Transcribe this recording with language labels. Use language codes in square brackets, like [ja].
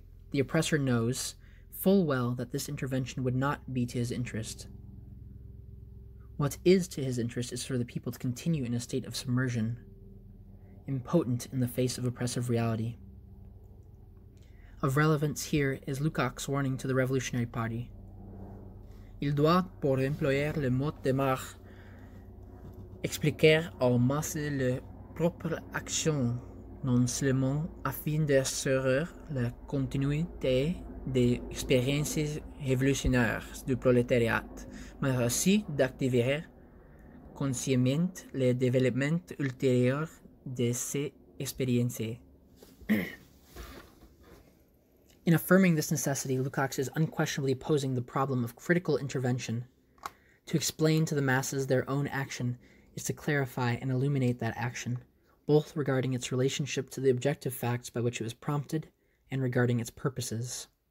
[en] The oppressor knows full well that this intervention would not be to his interest. What is to his interest is for the people to continue in a state of submersion, impotent in the face of oppressive reality. Of relevance here is Lukács' warning to the Revolutionary Party. [fr] Il doit, pour employer le mot de Marx, expliquer aux masses leur propre action, non seulement afin d'assurer la continuité des expériences révolutionnaires du prolétariat, mais aussi d'activer consciemment le développement ultérieur de ces expériences. [en] In affirming this necessity, Lukács is unquestionably posing the problem of critical intervention. To explain to the masses their own action is to clarify and illuminate that action, both regarding its relationship to the objective facts by which it was prompted and regarding its purposes.